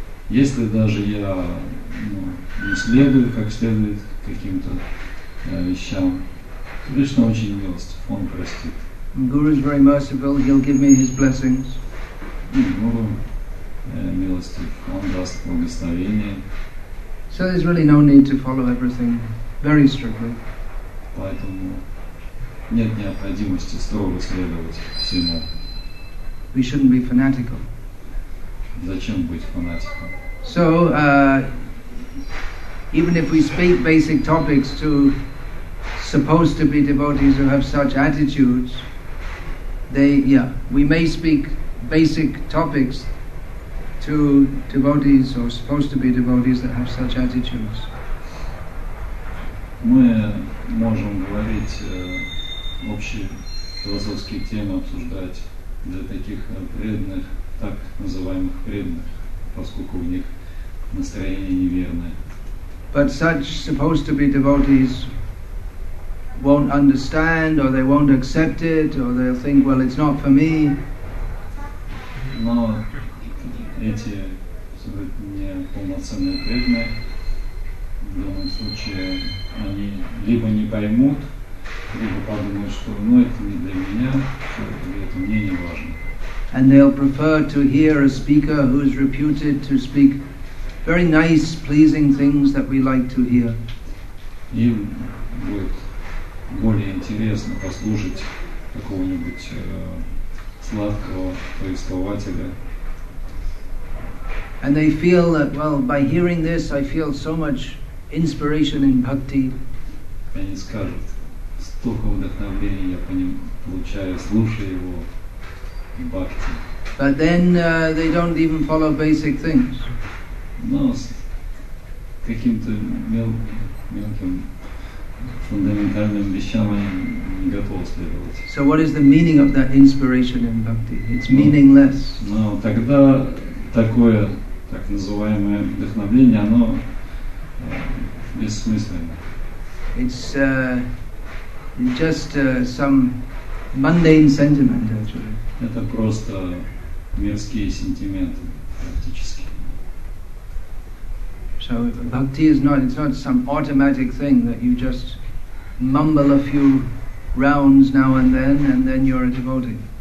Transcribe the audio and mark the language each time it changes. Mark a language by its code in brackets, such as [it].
[ru] Если даже я ну, не следую как следует каким-то вещам, Кришна очень милостив, он простит. [en] Guru is very merciful, he'll give me his blessings. [ru] Guru милостив, он даст благословение. [en] So there's really no need to follow everything very strictly. [ru] Поэтому нет необходимости строго следовать всему. [en] We shouldn't be fanatical. [ru] Зачем быть фанатиком? [en] So, even if we speak basic topics to supposed to be devotees who have such attitudes, we may speak basic topics to devotees or supposed to be devotees that have such attitudes. [ru] Мы можем говорить общие философские темы обсуждать для таких преданных, так называемых преданных, поскольку у них настроение неверное. [en] But such supposed to be devotees won't understand, or they won't accept it, or they'll think, well, it's not for me. [ru] Но эти не полноценные преданные, в данном случае, они либо не поймут, либо подумают, что ну, это не для меня, и это мне не важно. [en] And they'll prefer to hear a speaker who's reputed to speak very nice, pleasing things that we like to hear. [ru] Им будет более интересно послушать какого-нибудь сладкого повествователя. [en] And they feel that, well, by hearing this, I feel so much inspiration in bhakti. [ru] Они скажут, столько вдохновения я по ним получаю, слушая его в бхакти. [en] But then they don't even follow basic things. [ru] Но с каким-то мелким фундаментальным вещам они не готовы следовать. [en] So what is the meaning of that inspiration in bhakti? It's meaningless. [ru] Но тогда такое так называемое вдохновение, оно бессмысленно. [en] It's just some mundane sentiment, actually. [ru] Это просто мирские сентименты, практически. [en] So bhakti is not, it's not some automatic thing that you just mumble a few rounds now and then you're a devotee.